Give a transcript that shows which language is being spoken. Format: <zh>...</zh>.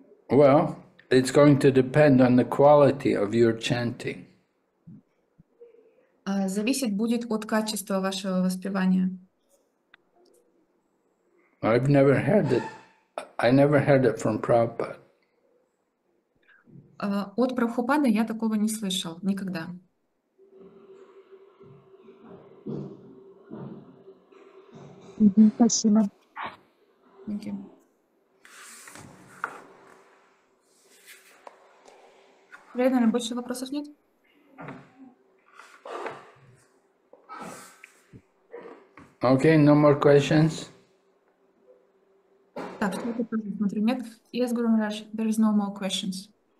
<en>Well, it's going to depend on the quality of your chanting.</en> <ru>Зависит будет от качества вашего воспевания.</ru> <en>I've never heard it. I never heard it from Prabhupada.</en> <ru>От Прабхупады я такого не слышал никогда. Спасибо.</ru> <en>Thank you.</en> <ru>Наверное, больше вопросов нет?</ru> <en>Okay, no more questions.</en> <ru>Так, что это тоже смотрю, нет?</ru> <en>Yes, Guru Maharaj, there is no more questions.</en>